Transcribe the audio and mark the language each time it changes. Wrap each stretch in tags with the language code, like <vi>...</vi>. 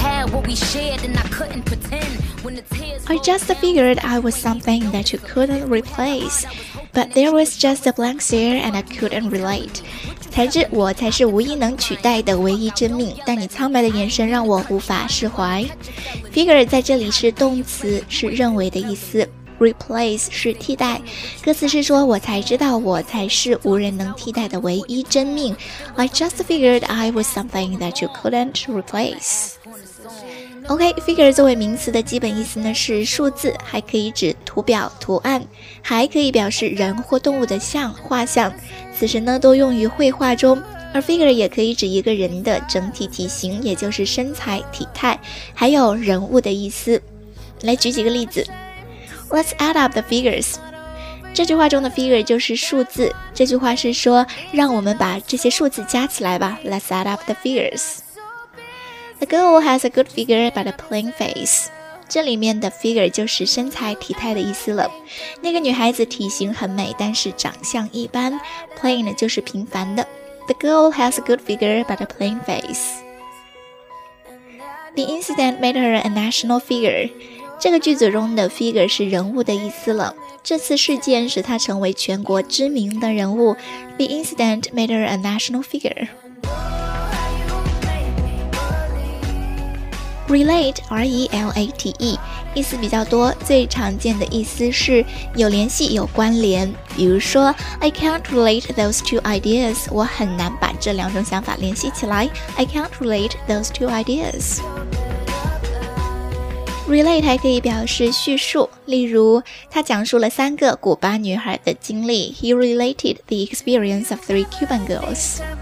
<en>I just figured I was something that you couldn't replace. But there was just a blank stare and I couldn't relate.</en> <zh>才知我才是无一能取代的唯一真命，但你苍白的眼神让我无法释怀。 Figure 在这里是动词，是认为的意思。Replace 是替代。歌词是说我才知道我才是无人能替代的唯一真命。</zh> <en>I just figured I was something that you couldn't replace.</en> <zh>OK, figure 作为名词的基本意思呢是数字，还可以指图表、图案，还可以表示人或动物的像、画像。此时呢多用于绘画中，而 figure 也可以指一个人的整体体型，也就是身材、体态，还有人物的意思。来举几个例子。</zh> <en>Let's add up the figures.</en> <zh>这句话中的 figure 就是数字，这句话是说让我们把这些数字加起来吧。</zh> <en>Let's add up the figures. The girl has a good figure but a plain face.</en> <zh>这里面的 figure 就是身材体态的意思了。那个女孩子体型很美但是长相一般 ,plain 就是平凡的。</zh> <en>The girl has a good figure but a plain face. The incident made her a national figure.</en> <zh>这个句子中的 figure 是人物的意思了。这次事件使她成为全国知名的人物。</zh> <en>The incident made her a national figure.</en> <zh>Relate, R-E-L-A-T-E, 意思比较多，最常见的意思是有联系、有关联。比如说 ,</zh> <en>I can't relate those two ideas,</en> <zh>我很难把这两种想法联系起来。</zh> <en>I can't relate those two ideas.</en> <zh>Relate 还可以表示叙述，例如他讲述了三个古巴女孩的经历。</zh> <en>He related the experience of three Cuban girls.</en>